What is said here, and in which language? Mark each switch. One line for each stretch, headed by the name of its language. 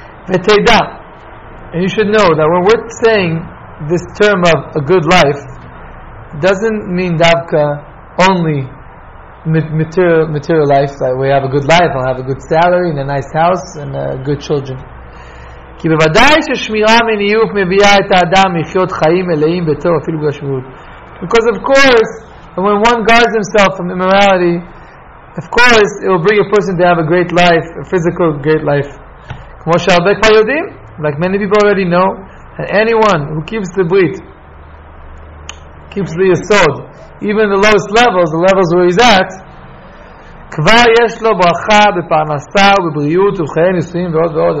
English: Veteida, and you should know that when we're saying this term of a good life, it doesn't mean davka only material life, like we have a good life, I'll have a good salary and a nice house and good children.
Hebrew: כי בוודאי ששמירה מניוף מביאה את האדם לחיות חיים מלאים בטוב אפילו בגשמיות.
English: Because of course, when one guards himself from immorality, of course, it will bring a person to have a great life, a physical great life.
Hebrew: כמו שהרבה כבר יודעים,
English: like many people already know, and anyone who keeps the brit, keeps the yesod, even the lowest levels, the levels where he's at,
Hebrew: כבר יש לו ברכה בפרנסה ובבריאות ובחיי נישואים ועוד ועוד.